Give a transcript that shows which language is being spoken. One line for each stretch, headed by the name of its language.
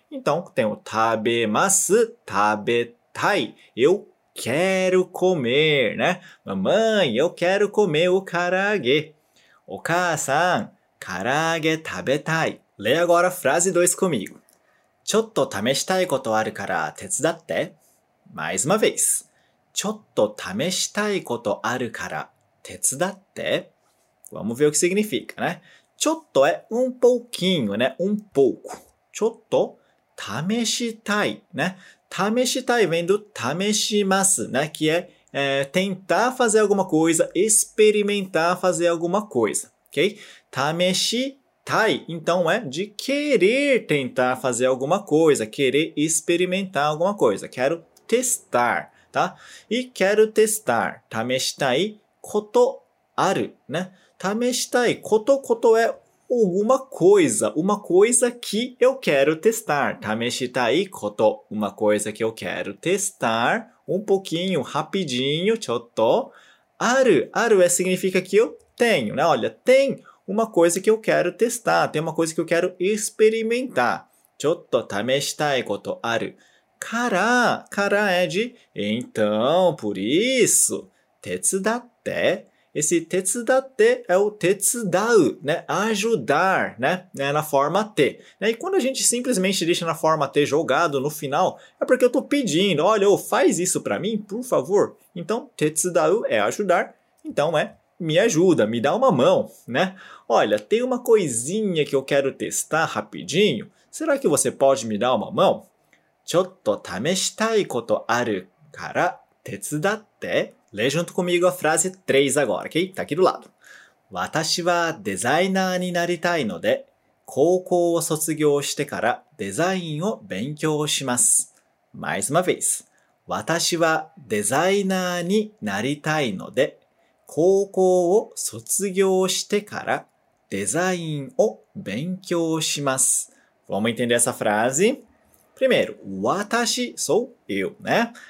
Portuguese: Então, tem o 食べます、食べたい。 Eu quero comer, né? Mamãe, eu quero comer o karaage.
Japanese: お母さん、からあげ食べたい。
Portuguese: Lê agora a frase 2 comigo.
Japanese: ちょっと試したいことあるから手伝って。
Portuguese: Mais uma vez.
Japanese: ちょっと試したいことあるから手伝って。
Portuguese: Vamos ver o que significa, né? ちょっと é pouquinho, né? pouco. ちょっと試したい, né? 試したい vem do 試します, né? Que é, tentar fazer alguma coisa, experimentar fazer alguma coisa, ok? 試したい, então é de querer tentar fazer alguma coisa, querer experimentar alguma coisa. Quero testar, tá? E quero testar.
Japanese: 試したいことある, né?
Portuguese: 試したいことこと é alguma coisa que eu quero testar. 試したいこと uma coisa que eu quero testar, pouquinho, rapidinho, ちょっと。ある、ある é significa que eu tenho, né? Olha, tem uma coisa que eu quero testar, tem uma coisa que eu quero experimentar.
Japanese: ちょっと試したいことある。
Portuguese: から、から é de, então, por isso, 手伝って。 Esse tetsudatte é o tetsudau, né? Ajudar, né? Na forma T. E quando a gente simplesmente deixa na forma T jogado no final, é porque eu tô pedindo, olha, faz isso pra mim, por favor. Então, tetsudau é ajudar, então é me ajuda, me dá uma mão, né? Olha, tem uma coisinha que eu quero testar rapidinho, será que você pode me dar uma mão?
Japanese: Chotto tameshitai koto aru kara tetsudatte...
Portuguese: Lê junto comigo a frase 3 agora, ok? Tá aqui do lado.
Japanese: 私はデザイナーになりたいので、高校を卒業してからデザインを勉強します。
Portuguese: Mais uma vez.
Japanese: 私はデザイナーになりたいので、高校を卒業してからデザインを勉強します。
Portuguese: Vamos entender essa frase? Primeiro, 私 sou eu, né?